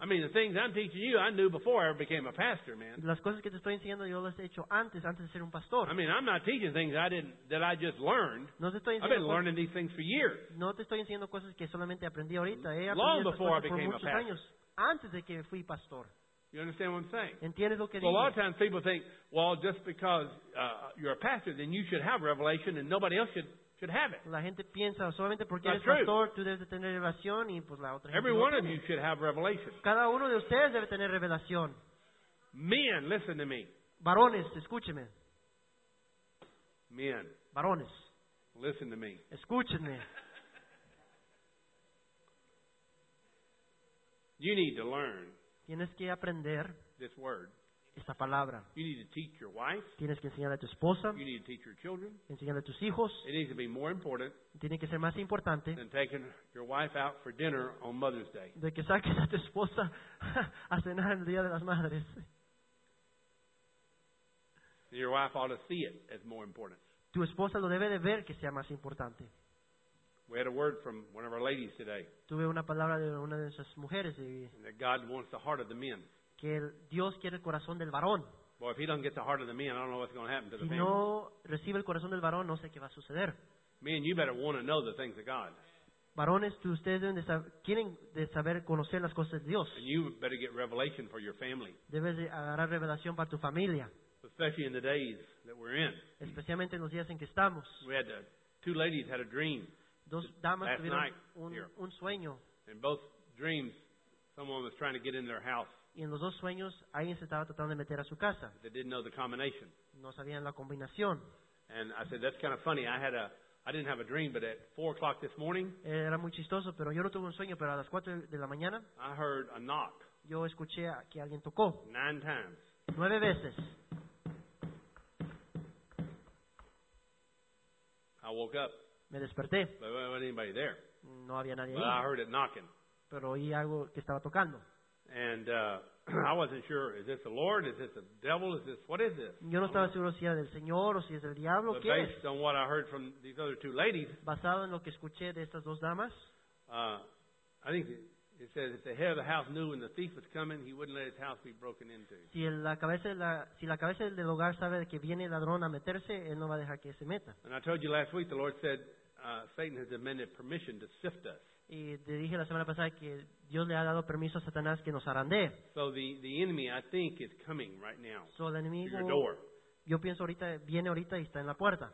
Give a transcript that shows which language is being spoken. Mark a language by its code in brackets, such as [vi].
[en] I mean, the things I'm teaching you, I knew before I ever became a pastor, man. [es] Las cosas que te estoy enseñando yo las he hecho antes de ser un pastor. [en] I mean, I'm not teaching things I just learned. [es] No te estoy enseñando. [en] I've been learning these things for years. [es] No te estoy enseñando cosas que solamente aprendí ahorita. [en] Long before I became a pastor. [es] Por muchos años antes de que fui pastor. [en] You understand what I'm saying? [es] ¿Entiendes lo que digo? [en] Well, a lot of times people think, well, just because you're a pastor, then you should have revelation and nobody else should have it. [es] La gente piensa, solamente porque eres pastor, tú debes de tener revelación y pues la otra gente. [en] Every one of you should have revelation. [es] Cada uno de ustedes debe tener revelación. [en] Men, listen to me. [es] Varones, escúcheme. [en] Men. [es] Varones. [en] Listen to me. [es] Escúchenme. [en] You need to learn. [es] Tienes que aprender [en] this word. [es] Esta palabra. [en] You need to teach your wife. [es] Tienes que enseñarle a tu esposa. [en] You need to teach your children. [es] Enseñarle a tus hijos. [en] It needs to be more important. [es] Tiene que ser más importante. [en] Than taking your wife out for dinner on Mother's Day. [es] De que saques a tu esposa a cenar el día de las madres. [en] Your wife ought to see it as more important. [es] Tu esposa lo debe de ver que sea más importante. [en] We had a word from one of our ladies today. [es] Tuve una palabra de una de esas mujeres. [en] That God wants the heart of the men. [es] Que Dios quiere el corazón del varón. [en] Boy, if he doesn't get the heart of the men, I don't know what's going to happen to the men. [es] Si no recibe el corazón del varón, no sé qué va a suceder. [en] Men, you better want to know the things of God. [es] Varones, ustedes deben quieren saber conocer las cosas de Dios. [en] And you better get revelation for your family. [es] Debes de agarrar revelación para tu familia. [en] Especially in the days that we're in. [es] Especialmente en los días en que estamos. [en] We had two ladies had a dream. [es] Dos damas tuvieron un sueño. [en] In both dreams, someone was trying to get in their house. [es] Y en los dos sueños, alguien se estaba tratando de meter a su casa. [en] They didn't know the combination. [es] No sabían la combinación. [en] And I said, that's kind of funny. I didn't have a dream, but at 4:00 this morning. [es] Era muy chistoso, pero yo no tuve un sueño. Pero a las 4 de la mañana. [en] I heard a knock. [es] Yo escuché que alguien tocó. [en] 9 times. [es] 9 veces. [en] I woke up. [es] Me desperté. [en] But there wasn't anybody there. [es] No había nadie ahí. [en] I heard it knocking. [es] Pero oí algo que estaba tocando. [en] And I wasn't sure, is this the Lord? Is this the devil? Is this, what is this? [es] Yo no estaba seguro si era del Señor o si es del diablo. [en] But based on what I heard from these other two ladies, [es] basado en lo que escuché de estas dos damas, [en] I think it says if the head of the house knew when the thief was coming, he wouldn't let his house be broken into. [es] Si la cabeza del hogar sabe que viene el ladrón a meterse, él no va a dejar que se meta. [en] And I told you last week, the Lord said Satan has demanded permission to sift us. [es] Y te dije la semana pasada que Dios le ha dado permiso a Satanás que nos zarandee. [en] So the enemy, I think, is coming right now. [es] So el enemigo, [en] to your door. [es] Yo pienso ahorita viene ahorita y está en la puerta.